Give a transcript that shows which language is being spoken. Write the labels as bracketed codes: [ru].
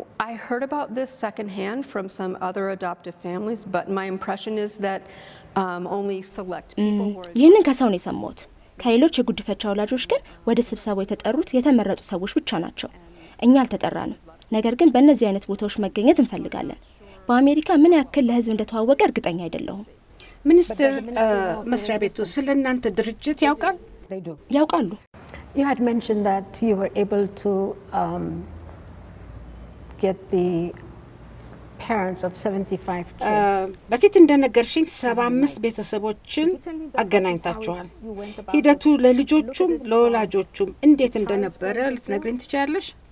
[en] I heard about this secondhand from some other adoptive families, but my impression is that only select people were [am] ይህንን ከሰው ነው የሰማሁት። ከሌሎች የጉድፈቻ ወላጆች ግን ወደ ስብሰባው የተጠሩት የተመረጡ ሰዎች ብቻ ናቸው። እኛ አልተጠራንም። ነገር ግን በእነዚህ አይነት ቦታዎች መገኘት እንፈልጋለን። በአሜሪካ ምን ያክል ለህዝብ እንደተዋወቀ እርግጠኛ አይደለሁም። ሚኒስትር መስሪያ ቤቱ ስለናንተ ድርጅት ያውቃል? ያውቃሉ። [en] You had mentioned that you were able to get the parents of 75 kids. [am] በፊት እንደነገርሽኝ 75 ቤተሰቦችን አገናኝታችኋል። ሂደቱ ለልጆቹም ለወላጆቹም እንዴት እንደነበረ ልትነግሪን ትችያለሽ?